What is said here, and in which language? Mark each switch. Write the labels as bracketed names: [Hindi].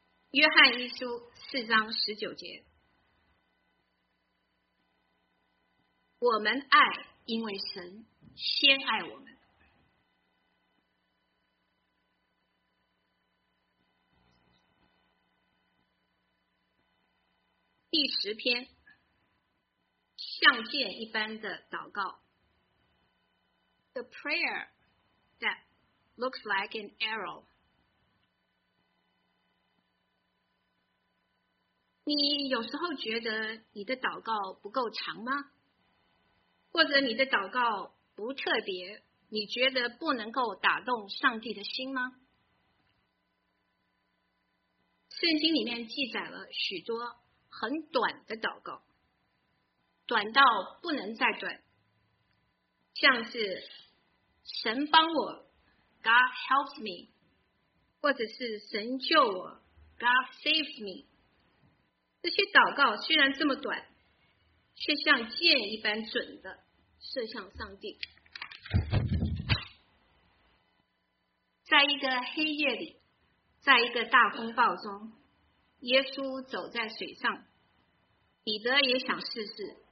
[Chinese] 约翰一书四章十九节，我们爱因为神先爱我们。第十篇，像箭一般的祷告。 [English] The prayer that looks like an arrow。 [Chinese] 你有时候觉得你的祷告不够长吗？或者你的祷告不特别，你觉得不能够打动上帝的心吗？圣经里面记载了许多很短的祷告，短到不能再短，像是神帮我 [English] God helps me， [Chinese] 或者是神救我， [English] God saves me。 [Chinese] 这些祷告虽然这么短，却像箭一般准的射向上帝。在一个黑夜里，在一个大风暴中，耶稣走在水上，彼得也想试试。